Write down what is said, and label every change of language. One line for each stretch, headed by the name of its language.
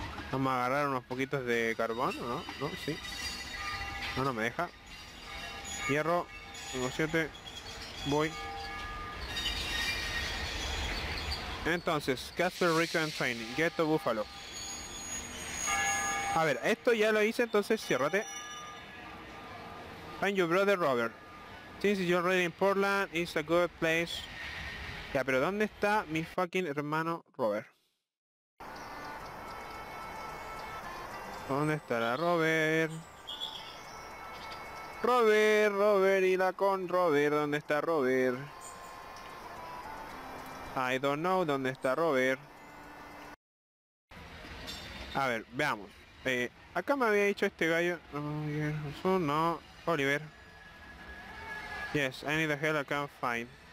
Spanish: Vamos a agarrar unos poquitos de carbón, ¿no? ¿No? Sí. No, no me deja. Hierro. Tengo 7. Voy. Entonces, Casper Rico en training. Ghetto Búfalo. A ver, esto ya lo hice, entonces ciérrate.
English: Find your brother Robert. Since you're already in Portland, it's a good place.
Spanish: Ya, pero ¿dónde está mi fucking hermano Robert? ¿Dónde estará Robert? Robert, Robert y la con Robert, ¿dónde está Robert?
English: I don't know
Spanish: dónde está Robert. A ver, veamos. Acá me había dicho este gallo. No, Oliver.
English: Yes, I need a help, I can't find.